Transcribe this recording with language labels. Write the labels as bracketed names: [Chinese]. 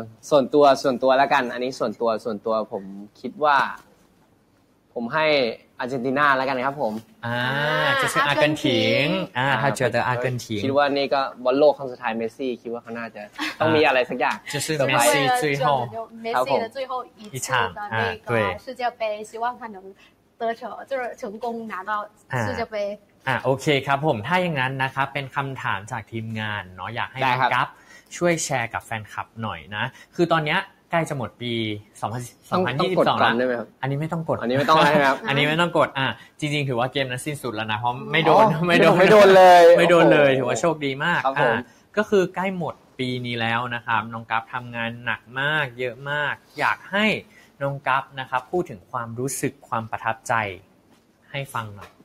[Thai] ส่วนตัวแล้วกันอันนี้ส่วนตัวผมคิดว่าผมให้อาร์เจนตินาแล้วกันนะครับผม จะเป็นอาร์เจนตินาถ้าเจอแต่อาร์เจนตินา คิดว่านี่ก็บอลโลกครั้งสุดท้ายเมสซี่คิดว่าเขาน่าจะต้องมีอะไรสักอย่าง จะเป็นเมสซี่ [Chinese] 最后 เมสซี่的最后一次的那个世界杯希望他能得球就是成功拿到世界杯 [Thai] โอเคครับผมถ้าอย่างนั้นนะครับเป็นคำถามจากทีมงานเนาะอยากให้น้องกัฟช่วยแชร์กับแฟนคลับหน่อยนะคือตอนนี้ใกล้จะหมดปี2022 แล้วอันนี้ไม่ต้องกด อันนี้ไม่ต้องใช่ครับ อันนี้ไม่ต้องกดจริงๆถือว่าเกมนั้นสิ้นสุดแล้วนะเพราะไม่โดนเลยถือว่าโชคดีมากก็คือใกล้หมดปีนี้แล้วนะครับน้องกัฟทำงานหนักมากเยอะมากอยากให้น้องกัฟนะครับพูดถึงความรู้สึกความประทับใจให้ฟังหน่อย